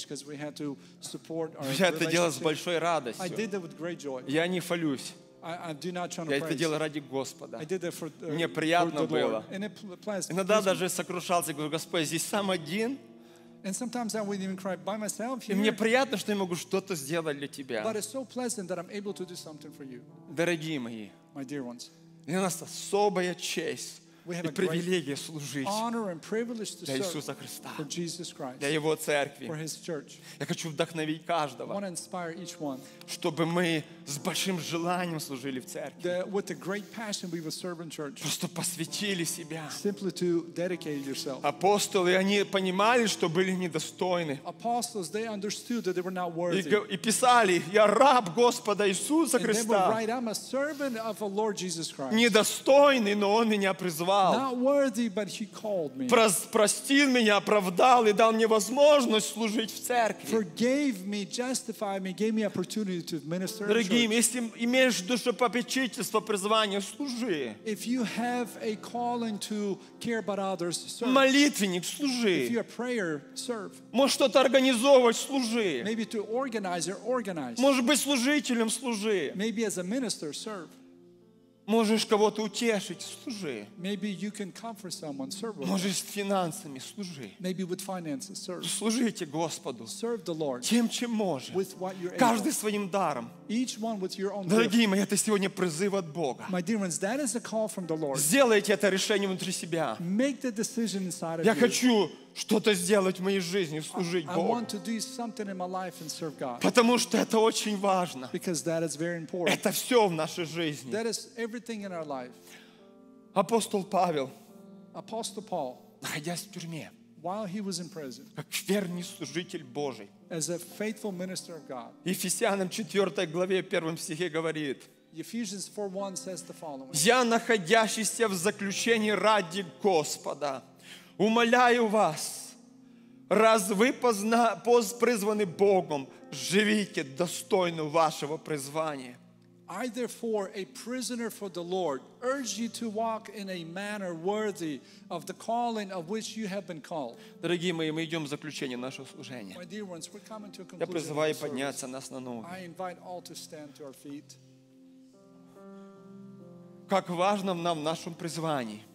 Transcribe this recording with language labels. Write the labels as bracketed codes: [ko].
[ru] Я это делал с большой радостью. Я не фалюсь. Я это делал ради Господа. Мне приятно было. Иногда даже сокрушался, говорю, Господь, здесь сам один. [en] And sometimes I would even cry by myself here. [ru] И мне приятно, что я могу что-то сделать для тебя. [en] But it's so pleasant that I'm able to do something for you. [ru] Дорогие мои, [en] my dear ones, [ru] у нас особая честь и привилегия служить [en] honor and privilege to [ru] для Иисуса Христа, [en] for Jesus Christ, [ru] для Его церкви. [en] For His church. [ru] Я хочу вдохновить каждого, [en] I want to inspire each one, [ru] чтобы мы с большим желанием служили в церкви. [en] That with a great passion we would serve in church. [ru] Просто посвятили себя. [en] Simply to dedicate yourself. [ru] Апостолы, они понимали, что были недостойны. [en] Apostles, they understood that they were not worthy. [ru] И писали, я раб Господа Иисуса Христа. [en] And they would write, I'm a servant of the Lord Jesus Christ. [ru] Недостойный, но Он меня призвал. [en] Not worthy, but He called me. [ru] Простил меня, оправдал и дал мне возможность служить в церкви. [en] Forgave me, justified me, gave me opportunity to minister. [ru] Дорогие, если имеешь душепопечительство, призвание, служи. [en] If you have a calling to care about others, serve. [ru] Молитвенник, служи. [en] If you're a prayer, serve. [ru] Можешь что-то организовывать, служи. [en] Maybe to organize or organize. [ru] Можешь быть служителем, служи. [en] Maybe as a minister, serve. [ru] Можешь кого-то утешить, служи. [en] Maybe you can comfort someone, serve. [ru] Можешь с финансами, служи. [en] Maybe with finances, serve. [ru] Служите Господу. [en] Serve the Lord. [ru] Тем, чем можешь. [en] With what you're able. [ru] Каждый своим даром. [en] Each one with your own. [ru] Дорогие мои, это сегодня призыв от Бога. [en] My dear ones, that is a call from the Lord. [ru] Сделайте это решение внутри себя. [en] Make the decision inside of you. [ru] Я хочу что-то сделать в моей жизни, служить Богу. [en] I want to do something in my life and serve God. [ru] Потому что это очень важно. [en] Because that is very important. [ru] Это все в нашей жизни. [en] That is everything in our life. [ru] Апостол Павел, [en] Apostle Paul, [ru] находясь в тюрьме, [en] while he was in prison, [ru] как верный служитель Божий, [en] as a faithful minister of God, [ru] Ефесянам 4 главе 1 стихе говорит, Я, находящийся в заключении ради Господа, умоляю вас, раз вы призваны Богом, живите достойно вашего призвания. [en] I therefore, a prisoner for the Lord, urge you to walk in a manner worthy of the calling of which you have been called. [ru] Дорогие мои, мы идем в заключение нашего служения. [en] My dear ones, we're coming to a conclusion. [ru] Я призываю подняться нас на ноги. [en] I invite all to stand to our feet. [ru] Как важно нам в нашем призвании.